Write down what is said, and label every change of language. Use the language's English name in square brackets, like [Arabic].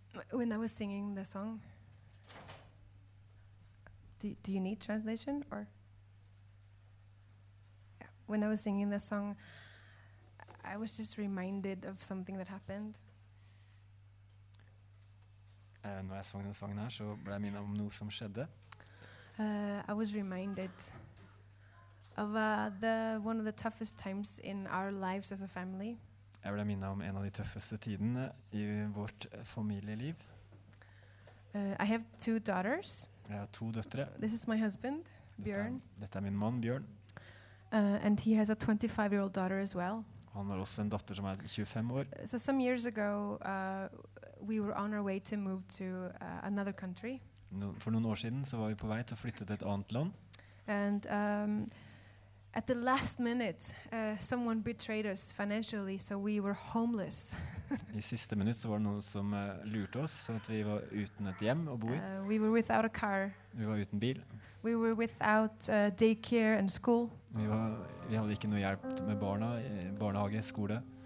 [English] when I was singing the song. Do you need translation or? Yeah. When I was singing the song, I was just reminded of something that happened. [Swedish] När jag sång den sången här så blev jag minnad om något som skedde. [English] I was reminded of one of the toughest times in our lives as a family. [Swedish] Jag blev minnad om en av de tuffaste tiderna I vårt familjeliv. [English] I have two daughters. [Swedish] Jag har två döttrar. [English] This is my husband, Björn. [Swedish] Detta är min man, Björn. [English] And he has a 25-year-old daughter as well. [Swedish] Han har också en dotter som är 25 år. [English] So some years ago, we were on our way to move to another country. [Swedish] För några år sedan så var vi på väg att flytta till ett annat land. [English] And at the last minute, someone betrayed us financially, so we were homeless. [Swedish] I sista minuten så var det någon som lurte oss så att vi var utan ett hem att bo I. [English] We were without a car. [Swedish] Vi var utan bil. [English] We were without daycare and school. [Swedish] Vi hade inte någon hjälp med barna, barnehage, skola.